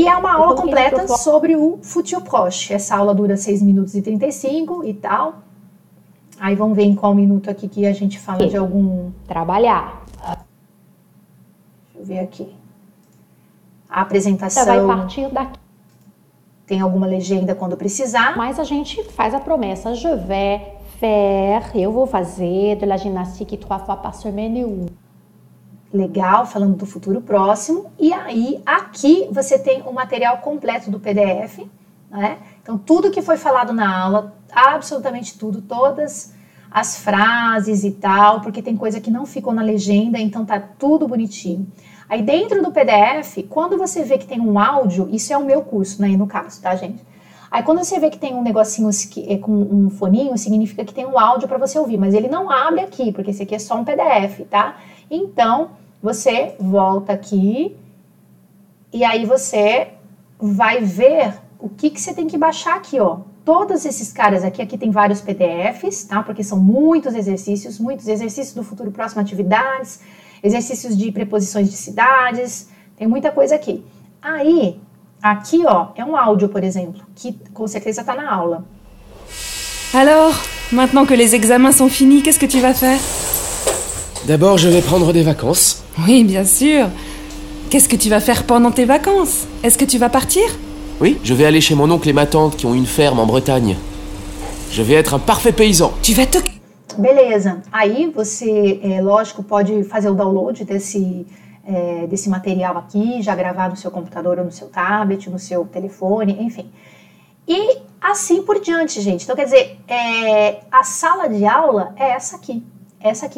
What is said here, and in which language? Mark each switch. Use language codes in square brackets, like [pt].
[pt] E é uma aula completa sobre o Futur Proche. Essa aula dura 6 minutos e 35 e tal. Aí vamos ver em qual minuto aqui que a gente fala de algum... Trabalhar. Deixa eu ver aqui. A apresentação... Já vai partir daqui. Tem alguma legenda quando precisar. Mas a gente faz a promessa. [fr] Je vais faire, [pt] eu vou fazer [fr] de la gymnastique 3 fois par semaine. [pt] Legal, falando do futuro próximo. E aí, aqui, você tem o material completo do PDF, né? Então, tudo que foi falado na aula, absolutamente tudo, todas as frases e tal, porque tem coisa que não ficou na legenda, então tá tudo bonitinho. Aí, dentro do PDF, quando você vê que tem um áudio, isso é o meu curso, né, no caso, tá, gente? Aí, quando você vê que tem um negocinho com um foninho, significa que tem um áudio para você ouvir, mas ele não abre aqui, porque esse aqui é só um PDF, tá? Então, você volta aqui e aí você vai ver o que, que você tem que baixar aqui, ó. Todos esses caras aqui tem vários PDFs, tá? Porque são muitos exercícios do futuro próximo, atividades, exercícios de preposições de cidades, Tem muita coisa aqui. Aí, aqui, ó, é um áudio, por exemplo, que com certeza está na aula. [fr] Alors, maintenant que les examens sont finis, qu'est-ce que tu vas faire? D'abord, je vais prendre des vacances. Oui, bien sûr. Qu'est-ce que tu vas faire pendant tes vacances? Est-ce que tu vas partir? Oui, je vais aller chez mon oncle et ma tante qui ont une ferme en Bretagne. Je vais être un parfait paysan. Tu vas te... [pt] Beleza. Aí, você, é, lógico, pode fazer o download desse, é, desse material aqui, já gravar no seu computador ou no seu tablet, no seu telefone, enfim. E assim por diante, gente. Então, quer dizer, é, a sala de aula é essa aqui. Essa aqui.